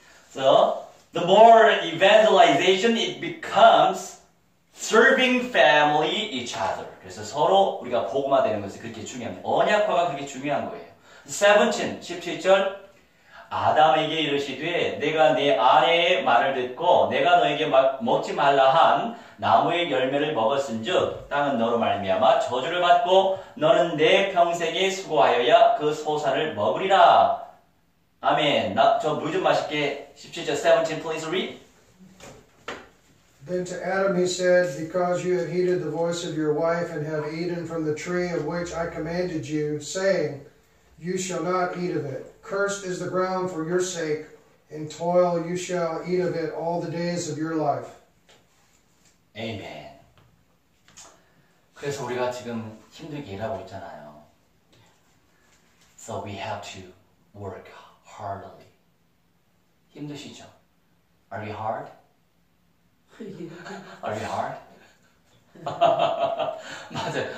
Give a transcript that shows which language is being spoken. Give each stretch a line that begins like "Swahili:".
English: So, the more evangelization it becomes, serving family each other.
Korean: 그래서 서로 우리가 복음화 되는 것이 그렇게 중요한, 언약화가 그렇게 중요한 거예요. 17, 17절, 아담에게 이르시되, 내가 내 아내의 말을 듣고, 내가 너에게 먹지 말라 한 나무의 열매를 먹었은 즉, 땅은 너로 말미암아 저주를 받고, 너는 내 평생에 수고하여야 그 소산을 먹으리라. 아멘. 나 저 물 좀 마실게. 17절 17
English: please read. Then to Adam he said, Because you have heeded the voice of your wife and have eaten from the tree of which I commanded you, saying, You shall not eat of it. Cursed is the ground for your sake, in toil you shall eat of it all the days of your life. Amen.
Korean: 그래서 우리가 지금 힘들게 일하고 있잖아요.
English: So we have to work hard. Hardly.
Korean: 힘드시죠?
English: Are we hard? Yeah. Are we hard?
Korean: 맞아요.